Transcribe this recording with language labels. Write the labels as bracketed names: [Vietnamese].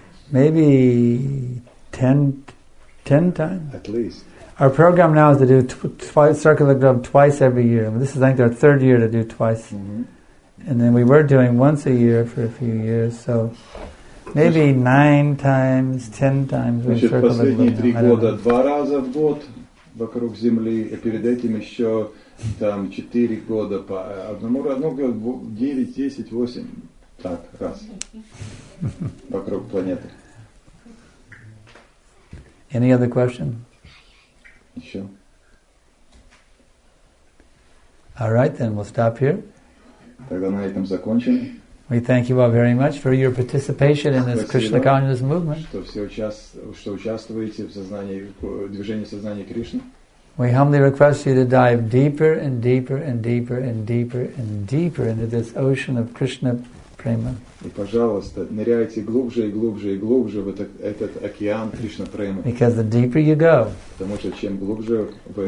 [English] Maybe 10 times? At least. Our program now is to do circular globe twice every year. This is, I think, our third year to do twice. Mm-hmm. And then we were doing once a year for a few years. So maybe 9 times, 10 times we circle the globe. [Russian] Последние 3 года 2 раза в год вокруг Земли, и перед этим еще там 4 года по одному разу, 9, 10, 8 так раз вокруг планеты. [English] Any other question? [Russian] Еще. [English] All right, then we'll stop here. [Russian] Тогда на этом закончим. [English] We thank you all very much for your participation in this Krishna consciousness movement. [Russian] Что участвуете в сознании, в движении сознания Кришны. [English] We humbly request you to dive deeper and deeper and deeper and deeper and deeper into this ocean of Krishna prema. [Russian] И пожалуйста, ныряйте глубже и глубже и глубже в этот океан Кришна премы. [English] Because the deeper you go, [Russian] потому что чем глубже вы,